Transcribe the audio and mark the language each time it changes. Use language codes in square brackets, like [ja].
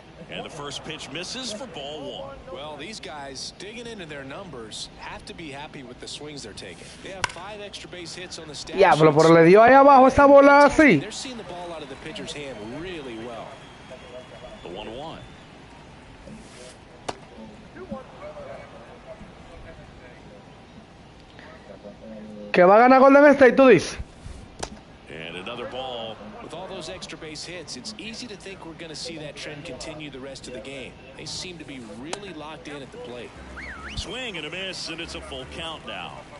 [en] And the first pitch misses for ball one. Well, these guys, digging into their numbers, have to be happy with the swings they're taking. They have five extra base hits on the stat sheet. [es] Diablo, pero le dio ahí abajo esa bola así. [en] They're seeing the ball out of the pitcher's hand really well. The 1-1. [es] ¿Qué va a ganar Golden State, tú dices? [en] And another ball. Those extra base hits, it's easy to think we're going to see that trend continue the rest of the game. They seem to be really locked in at the plate. Swing and a miss, and it's a full count now.